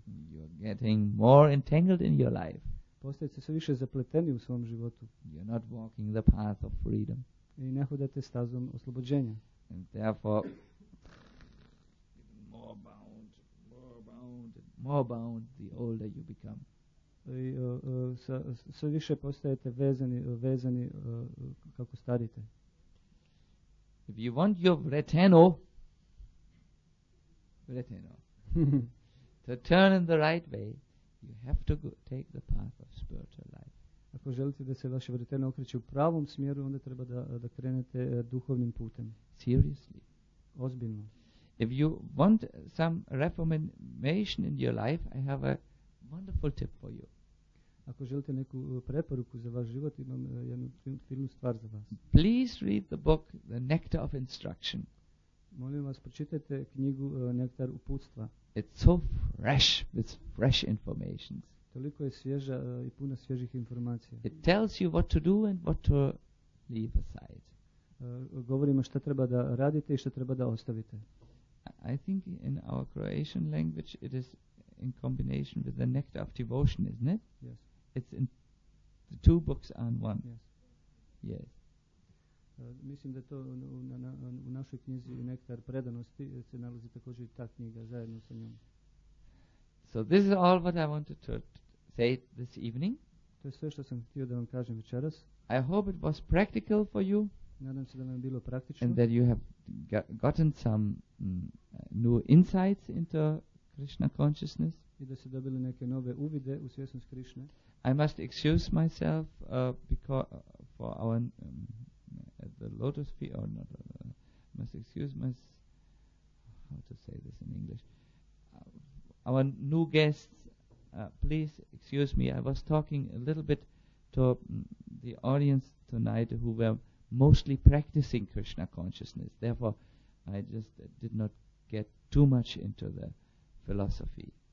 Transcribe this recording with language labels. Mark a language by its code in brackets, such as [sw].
[en] You're getting more entangled in your life. [hr] Postajete sve više zapleteni u svom životu. [en] You're not walking the path of freedom. [hr] I ne hodate stazom oslobođenja. [en] And therefore, more bound, more bound, more bound the older you become. [hr] I sve više postajete vezani kako starite. [en] If you want your vreteno, to turn in the right way, you have to take the path of spiritual life. [hr] Ako želite da se vaše vreteno okreće u pravom smjeru, onda treba da krenete duhovnim putem. [en] Seriously. [hr] Ozbiljno. [en] If you want some reformation in your life, I have a wonderful tip for you. [hr] Ako želite neku preporuku za vaš život, imam jednu finu stvar za vas. [en] Please read the book The Nectar of Instruction. [hr] Molim vas, pročitajte knjigu Nektar uputstva. [en] It's so fresh with fresh information. [hr] Toliko je svježa i puna svježih informacija. [en] It tells you what to do and what to leave aside. [hr] Govorimo šta treba da radite i šta treba da ostavite. [en] I think in our Croatian language it is in combination with the Nectar of Devotion, isn't it? Yes. It's in the two books on one. Yes. Yes. [hr] Mislim da to u našoj knjizi Nektar predanosti se nalazi također i ta knjiga zajedno sa njom. [en] So this is all what I wanted to say this evening. [hr] To je sve što sam htio da vam kažem večeras. [en] I hope it was practical for you. [hr] Nadam se da vam je bilo praktično. [en] And that you have gotten some new insights into Krishna consciousness. [hr] I da ste dobili neke nove uvide u svjesnost Krišne. [en] I must excuse myself for our at the lotus feet, or not, must excuse me, how to say this in English, our new guests, please excuse me, I was talking a little bit to the audience tonight who were mostly practicing Krishna consciousness, therefore I just did not get too much into the philosophy.